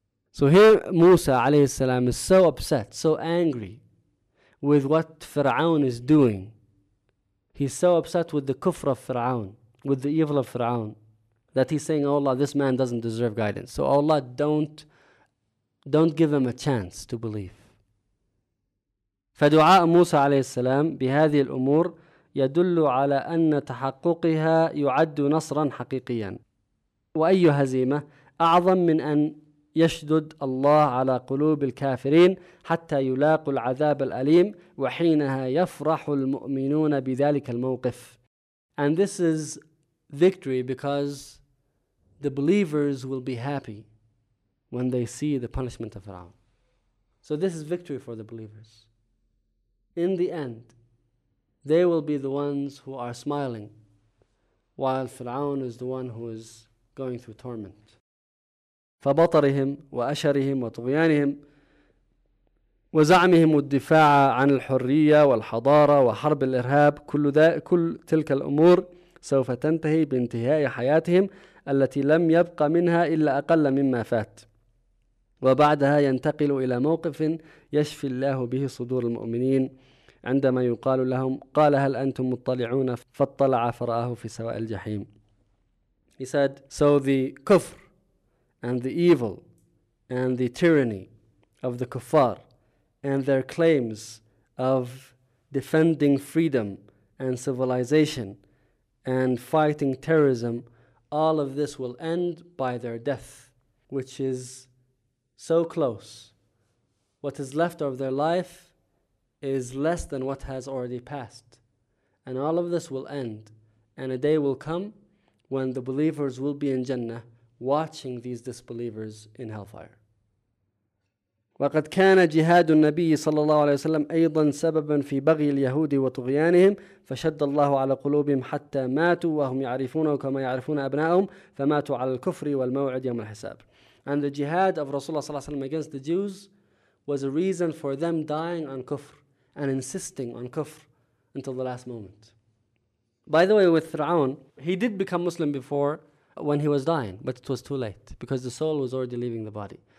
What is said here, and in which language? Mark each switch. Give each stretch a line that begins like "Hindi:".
English: So here Musa alayhi salam is so upset, so angry with what Fir'aun is doing. He's so upset with the kufr of Fir'aun, with the evil of Fir'aun, that he's saying, oh Allah, this man doesn't deserve guidance. So oh Allah, don't give him a chance to believe.
Arabic: فَدُعَاءَ مُوسَى عَلَيْهِ السَّلَامِ بِهَذِهِ الْأُمُورِ يَدُلُّ عَلَى أَنَّ تَحَقُّقِهَا يُعَدُّ نَصْرًا حَقِيقِيًا وَأَيُّ هَزِيمَةٍ أَعْظَمْ مِنْ أَنْ يشدد الله على قلوب الكافرين حتى يلاقوا العذاب الأليم وحينها يفرح المؤمنون بذلك الموقف.
English: And this is victory because the believers will be happy when they see the punishment of Fir'aun. So this is victory for the believers. In the end, they will be the ones who are smiling while Fir'aun is the one who is going through torment.
Arabic: فبطرهم وأشرهم وطغيانهم وزعمهم الدفاع عن الحرية والحضارة وحرب الإرهاب كل تلك الأمور سوف تنتهي بانتهاء حياتهم التي لم يبق منها إلا أقل مما فات وبعدها ينتقل إلى موقف يشفي الله به صدور المؤمنين عندما يقال لهم قال هل أنتم مطلعون فاطلع فرآه في سواء الجحيم.
English: He said, so the kufr and the evil and the tyranny of the kuffar and their claims of defending freedom and civilization and fighting terrorism, all of this will end by their death, which is so close. What is left of their life is less than what has already passed. And all of this will end, and a day will come when the believers will be in Jannah watching these disbelievers in hellfire.
Arabic: وقد كان جهاد النبي صلى الله عليه وسلم أيضا سببا في بغي اليهود وطغيانهم فشد الله على قلوبهم حتى ماتوا وهم يعرفونه كما يعرفون أبنائهم فماتوا على الكفر والموعد يوم الحساب.
English: And the jihad of Rasulullah
Arabic: صلى الله عليه وسلم
English: against the Jews was a reason for them dying on kufr and insisting on kufr until the last moment. By the way, with Fir'aun, he did become Muslim before when he was dying, but it was too late because the soul was already leaving the body.